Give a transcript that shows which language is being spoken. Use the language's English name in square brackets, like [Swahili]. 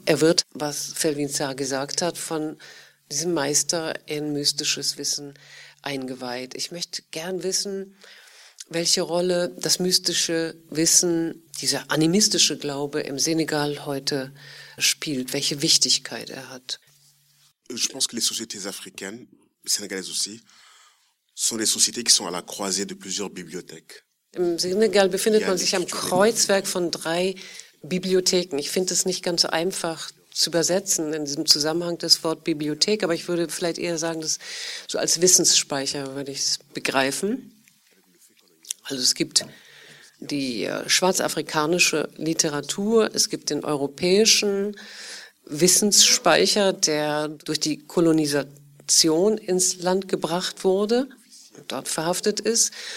[German] Er wird, was Felvin Sarr gesagt hat, von diesem Meister in mystisches Wissen eingeweiht. Ich möchte gern wissen, welche Rolle das mystische Wissen, dieser animistische Glaube im Senegal heute spielt, welche Wichtigkeit er hat. Ich denke, dass die [French] Sociétés africaines, Senegalais aussi, sont des sociétés qui sont à la croisée de plusieurs bibliothèques. [German] Im Senegal befindet man sich am Kreuzwerk von drei Bibliotheken. Ich finde es nicht ganz einfach zu übersetzen in diesem Zusammenhang das Wort Bibliothek, aber ich würde vielleicht eher sagen, dass so als Wissensspeicher würde ich es begreifen. Also es gibt die schwarzafrikanische Literatur, es gibt den europäischen Wissensspeicher, der durch die Kolonisation ins Land gebracht wurde, dort verhaftet ist.